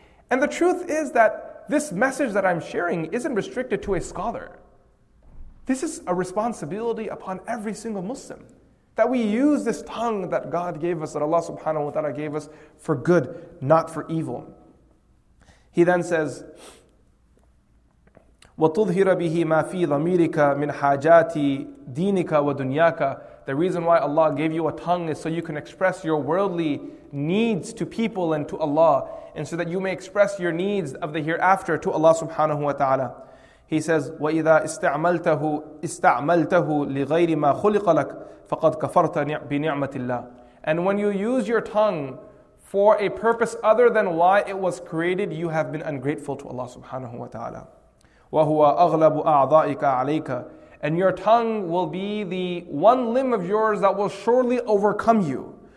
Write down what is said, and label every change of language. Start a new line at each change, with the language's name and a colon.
English: And the truth is that this message that I'm sharing isn't restricted to a scholar. This is a responsibility upon every single Muslim, that we use this tongue that God gave us, that Allah subhanahu wa ta'ala gave us, for good, not for evil. He then says,
Arabic: وَتُظْهِرَ بِهِ مَا فِي ضَمِيرِكَ مِنْ حَاجَاتِ دِينِكَ وَدُنْيَاكَ.
English: The reason why Allah gave you a tongue is so you can express your worldly needs to people and to Allah, and so that you may express your needs of the hereafter to Allah subhanahu wa ta'ala. He says,
Arabic: وَإِذَا اسْتَعْمَلْتَهُ لِغَيْرِ مَا خُلِقَ لَكَ فَقَدْ كَفَرْتَ بِنِعْمَةِ اللَّهِ.
English: And when you use your tongue for a purpose other than why it was created, you have been ungrateful to Allah subhanahu wa ta'ala.
Arabic: وَهُوَ أَغْلَبُ أَعْضَائِكَ عَلَيْكَ.
English: And your tongue will be the one limb of yours that will surely overcome you.